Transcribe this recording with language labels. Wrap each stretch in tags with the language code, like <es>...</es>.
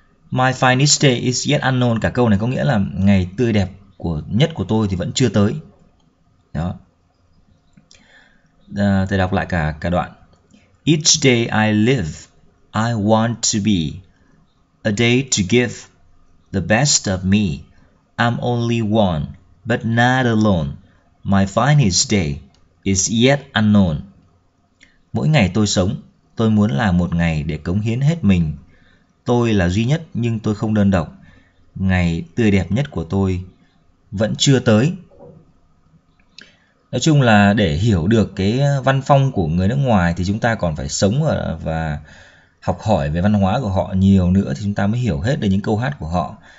<en>My finest day is yet unknown.</en> <vi>Cả câu này có nghĩa là ngày tươi đẹp của nhất của tôi thì vẫn chưa tới. Đó. Tôi đọc lại cả đoạn.</vi> <en>Each day I live, I want to be a day to give the best of me. I'm only one, but not alone. My finest day is yet unknown.</en> <vi>Mỗi ngày tôi sống, tôi muốn là một ngày để cống hiến hết mình. Tôi là duy nhất nhưng tôi không đơn độc. Ngày tươi đẹp nhất của tôi vẫn chưa tới. Nói chung là để hiểu được cái văn phong của người nước ngoài thì chúng ta còn phải sống và học hỏi về văn hóa của họ nhiều nữa thì chúng ta mới hiểu hết được những câu hát của họ.</vi>